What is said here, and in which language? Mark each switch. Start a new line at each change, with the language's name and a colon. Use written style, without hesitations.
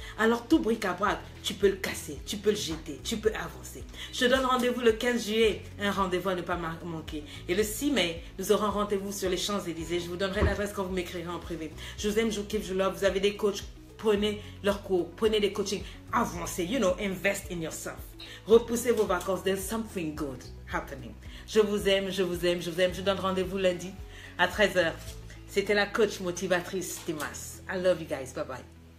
French: Alors tout bric-à-brac, tu peux le casser, tu peux le jeter, tu peux avancer. Je donne rendez-vous le 15 juillet, un rendez-vous à ne pas manquer. Et le 6 mai, nous aurons rendez-vous sur les Champs-Élysées. Je vous donnerai l'adresse quand vous m'écrirez en privé. Je vous aime, je vous kiffe, je vous love. Vous avez des coachs, prenez leurs cours, prenez des coachings. Avancez,
English: you know, invest in yourself.
French: Repoussez vos vacances,
English: there's something good happening.
French: Je vous aime, je vous aime, je vous aime. Je donne rendez-vous lundi à 13h. C'était la coach motivatrice Timas.
English: I love you guys. Bye-bye.